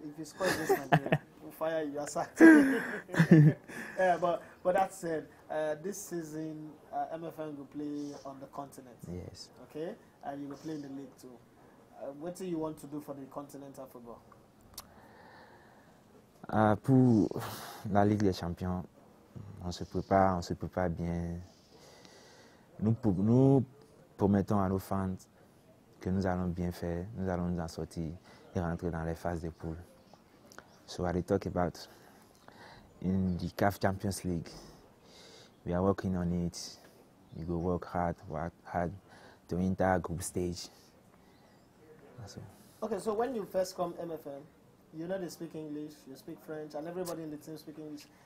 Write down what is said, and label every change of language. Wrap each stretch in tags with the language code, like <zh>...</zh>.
<en>If you score against Nigeria, we'll fire you as active. Yeah, but that said, this season, MFM will play on the continent. Yes. Okay? And you will play in the league too. What do you want to do for the continental football?</en> <fr>Pour la Ligue des Champions, on se prépare bien. Nous promettons à nos fans que nous allons bien faire, nous allons nous en sortir et rentrer dans les phases de poules.</fr> <en>So what we talk about in the Caf Champions League, we are working on it. We go work hard to enter group stage. So. Okay, so when you first come MFM, you know they speak English, you speak French, and everybody in the team speak English.</en>